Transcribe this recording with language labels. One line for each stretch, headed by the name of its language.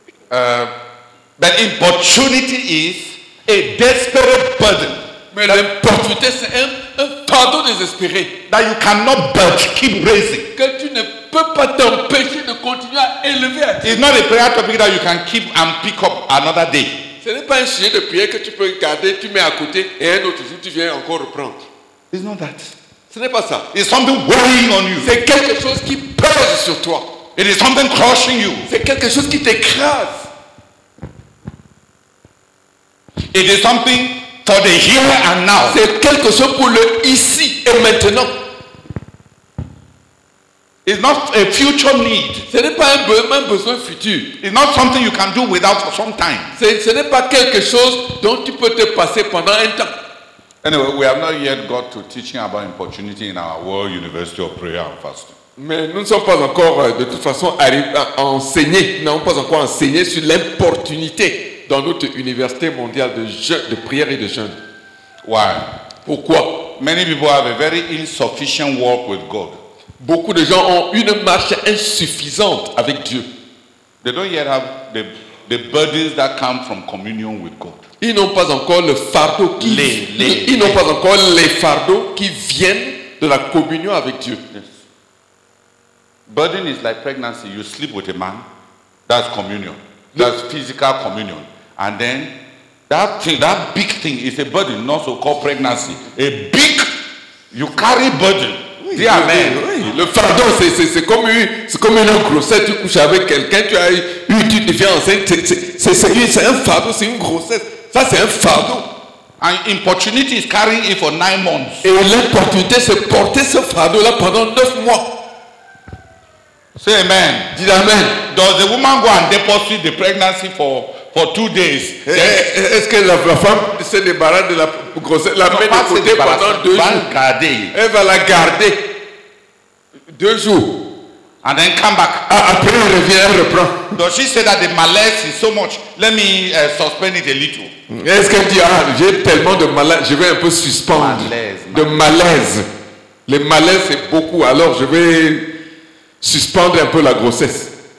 English: But opportunity is a desperate burden.
French: Mais l'importunité, c'est un fardeau désespéré.
English: That you cannot but keep raising.
French: Que tu ne peux pas t'empêcher de continuer à élever à Dieu.
English: It's not a prayer topic that you can keep and pick up another day.
French: Ce n'est pas un sujet de prière que tu peux garder, tu mets à côté et un autre jour tu viens encore reprendre.
English: It's not that.
French: Ce n'est pas ça.
English: It's something weighing on you.
French: C'est quelque chose qui pèse sur toi.
English: It is something crushing you.
French: C'est quelque chose qui t'écrase.
English: It is something for the here and now.
French: C'est quelque chose pour le ici et maintenant.
English: It's not a future need.
French: Ce n'est pas un besoin futur.
English: It's not something you can do without for some time.
French: Ce n'est pas quelque chose dont tu peux te passer pendant un temps.
English: Anyway, we have not yet got to teaching about importunity in our World University of Prayer and Fasting.
French: Mais nous ne sommes pas encore, de toute façon, arrivés à enseigner. Nous n'avons pas encore enseigné sur l'importunité dans notre université mondiale de prière et de jeûne.
English: Why?
French: Pourquoi?
English: Many people have a very insufficient walk with God.
French: Beaucoup de gens ont une marche insuffisante avec Dieu.
English: They don't yet have the burdens that come from communion with God.
French: Ils n'ont pas encore le fardeau qui ils n'ont pas encore les fardeaux qui viennent de la communion avec Dieu.
English: Yes. Burden is like pregnancy. You sleep with a man, that's communion, that's physical communion, and then that thing, that big thing, is a burden, not so called pregnancy. A big, you carry burden.
French: Oui, amen. Oui. Le fardeau, c'est comme une grossesse. Tu couches avec quelqu'un, tu as eu, tu deviens enceinte. C'est un fardeau, c'est une grossesse. Ça, c'est un fardeau.
English: And importunity is carrying it for 9 months.
French: Et l'importunité, c'est porter ce fardeau-là pendant 9 mois.
English: Say amen.
French: Dis amen.
English: Does the woman go and deposit the pregnancy for 2 days?
French: Est-ce que la femme se débarrasse de la grossesse? La mère se débarrasse pendant 2 jours. Elle va la garder. Elle va la garder 2 jours.
English: And then come back.
French: Après, elle revient, elle reprend.
English: Does she say that the malaise is so much? Let me suspend it a little.
French: Est-ce qu'elle dit, j'ai tellement de malaise, je vais un peu suspendre. Malaise. De malaise. Le malaise, c'est beaucoup. Alors, je vais suspendre un peu la grossesse.